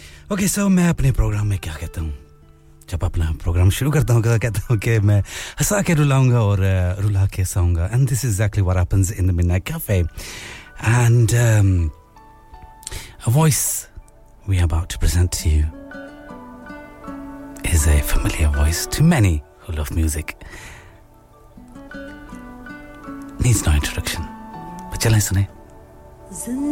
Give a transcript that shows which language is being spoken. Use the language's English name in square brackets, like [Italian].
[English] Okay, so [Hindi] मैं अपने programme में क्या कहता हूँ? जब अपना प्रोग्राम शुरू करता हूँ, कहता हूँ कि मैं हंसा के रुलाऊंगा और रुला के सोऊंगा. [English] And this is exactly what happens in the Midnight Cafe. And a voice we are about to present to you is a familiar voice to many who love music. Needs no introduction. But [Hindi] चलें सुने.